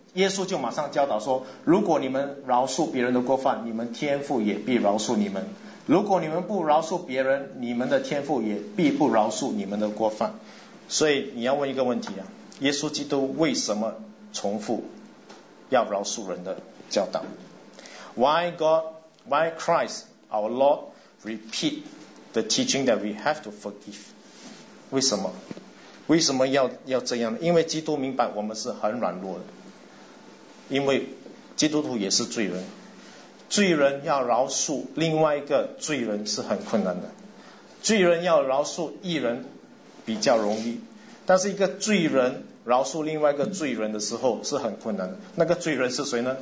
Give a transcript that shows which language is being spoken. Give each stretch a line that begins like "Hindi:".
Chinese: 耶稣就马上教导说，如果你们饶恕别人的过犯，你们天父也必饶恕你们，如果你们不饶恕别人，你们的天父也必不饶恕你们的过犯。所以你要问一个问题啊，耶稣基督为什么重复要饶恕人的教导？
English: Why Christ our Lord repeat the teaching that we have to forgive?
Chinese: 为什么？为什么 要这样？因为基督明白我们是很软弱的，因为基督徒也是罪人，罪人要饶恕另外一个罪人是很困难的，罪人要饶恕一人比较容易，但是一个罪人饶恕另外一个罪人的时候是很困难的。那个罪人是谁呢？